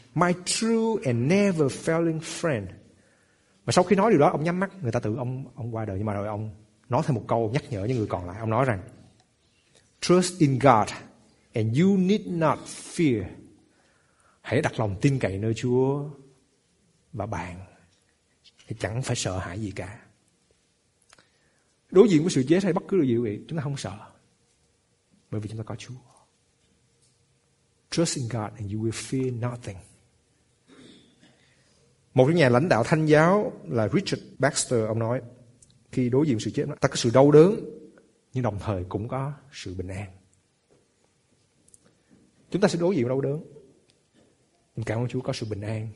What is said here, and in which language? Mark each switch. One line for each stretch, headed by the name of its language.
English: My true and never failing friend.
Vietnamese: Và sau khi nói điều đó, ông nhắm mắt, người ta tưởng ông qua đời. Nhưng mà rồi ông nói thêm một câu nhắc nhở những người còn lại. Ông nói rằng:
English: trust in God and you need not fear.
Vietnamese: Hãy đặt lòng tin cậy nơi Chúa và bạn thì chẳng phải sợ hãi gì cả. Đối diện với sự chết hay bất cứ điều gì, chúng ta không sợ, bởi vì chúng ta có Chúa.
English: Trust in God and you will fear nothing.
Vietnamese: Một nhà lãnh đạo thanh giáo là Richard Baxter, ông nói khi đối diện với sự chết, ta có sự đau đớn nhưng đồng thời cũng có sự bình an. Chúng ta sẽ đối diện với đau đớn, nhưng cảm ơn Chúa có sự bình an.